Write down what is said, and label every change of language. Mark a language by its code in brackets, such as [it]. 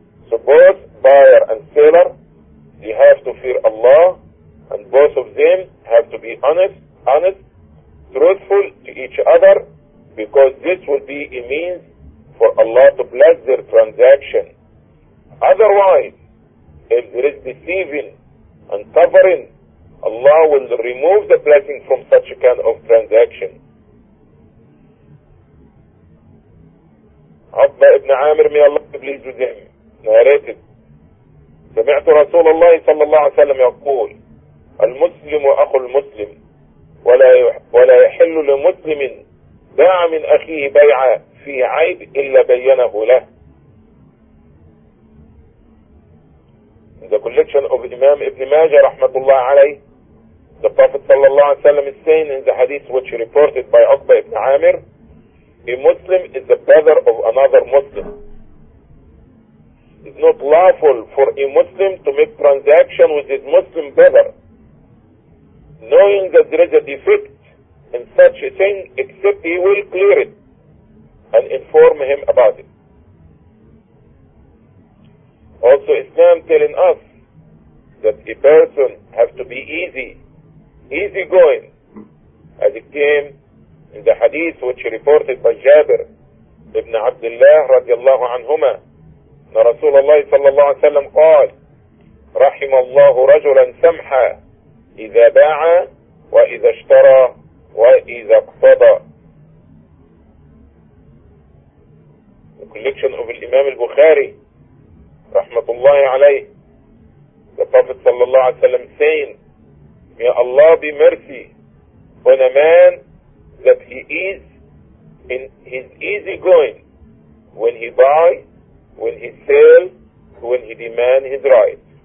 [en] So both buyer and seller, they have to fear Allah, and both of them have to be honest, truthful to each other, because this will be a means for Allah to bless their transaction. Otherwise, if there is deceiving and covering, Allah will remove the blessing from such a kind of transaction. Abba ibn Amir, may Allah be pleased with him, narrated, [ar] سمعت رسول الله صلى الله عليه وسلم يقول المسلم أخو المسلم ولا يحل لمسلم باع من أخيه بيع في عيب إلا بينه له. [en] In the collection of Imam Ibn Majah rahmatullah alayh, the Prophet [ar] صلى الله عليه وسلم [en] is saying in the hadith which reported by Uqba ibn Amir, a Muslim is the brother of another Muslim. It's not lawful for a Muslim to make transaction with his Muslim brother, knowing that there is a defect in such a thing, except he will clear it and inform him about it. Also, Islam telling us that a person has to be easygoing, as it came in the hadith which reported by Jabir ibn Abdullah radiallahu anhuma. [ar] رسول الله صلى الله عليه وسلم قال رحم الله رجلا سمحا إذا باع وإذا اشترى وإذا اقتضى. [en] The collection of Imam al-Bukhari [ar] رحمة الله عليه, [en] the Prophet [ar] صلى الله عليه وسلم [en] saying, may Allah be mercy on a man that he is easy going when he buy, when he sells, when he demands his rights.